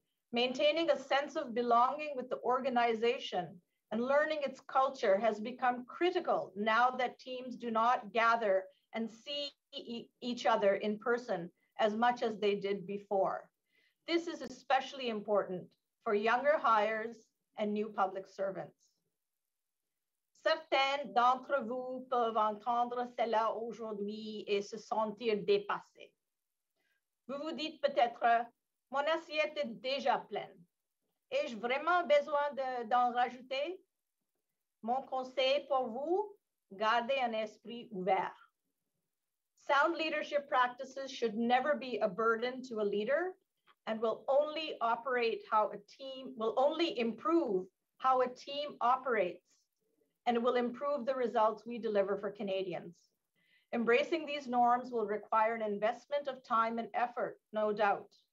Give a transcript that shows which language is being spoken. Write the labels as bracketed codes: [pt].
[en] Maintaining a sense of belonging with the organization and learning its culture has become critical now that teams do not gather and see each other in person as much as they did before. This is especially important for younger hires and new public servants. [fr] Certains d'entre vous peuvent entendre cela aujourd'hui et se sentir dépassés. Vous vous dites peut-être, mon assiette est déjà pleine. Ai-je vraiment besoin d'en rajouter? Mon conseil pour vous, gardez un esprit ouvert. [en] Sound leadership practices should never be a burden to a leader, and will only improve how a team operates and will improve the results we deliver for Canadians. Embracing these norms will require an investment of time and effort, no doubt.